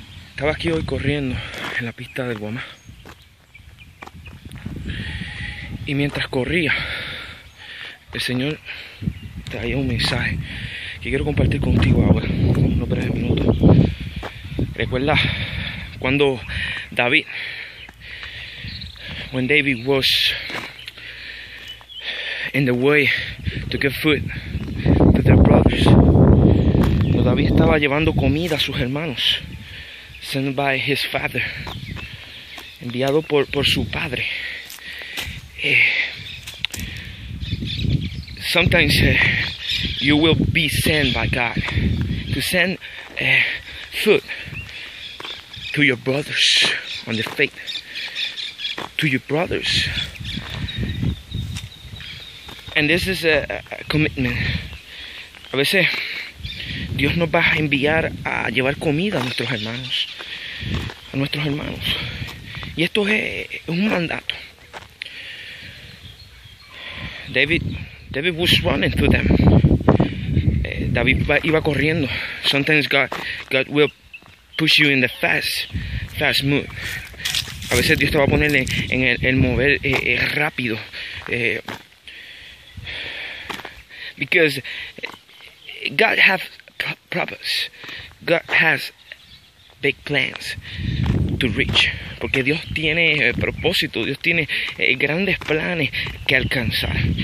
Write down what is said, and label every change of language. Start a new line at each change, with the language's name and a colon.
Spanish: Estaba aquí hoy corriendo en la pista del Guamá. Y mientras corría, el Señor traía un mensaje que quiero compartir contigo ahora, en unos breves minutos. Recuerda cuando David,
English: when David was in the way to get food to their brothers.
Spanish: David estaba llevando comida a sus hermanos,
English: sent by his father,
Spanish: enviado por su padre.
English: Sometimes you will be sent by God to send food to your brothers on the faith, to your brothers, and this is a commitment.
Spanish: A veces Dios nos va a enviar a llevar comida a nuestros hermanos. A nuestros hermanos. Y esto es un mandato.
English: David was running to them.
Spanish: David iba corriendo.
English: Sometimes God will push you in the fast mood.
Spanish: A veces Dios te va a poner en el mover rápido.
English: Because God has purpose. God has big plans to reach.
Spanish: Porque Dios tiene propósito, Dios tiene grandes planes que alcanzar.